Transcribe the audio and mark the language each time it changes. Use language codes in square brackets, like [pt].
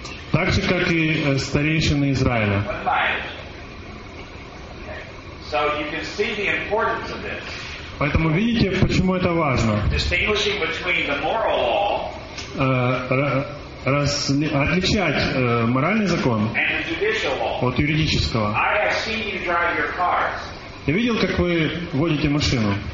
[ru] Так же, как и старейшины Израиля. [en] So you can see the importance of this. [ru] Поэтому видите, почему это важно. [en] Distinguishing between the moral law, [ru] отличать моральный закон [en] and the judicial law. [ru] От юридического. [en] I have seen you drive your cars. [ru] Я видел, как вы водите машину.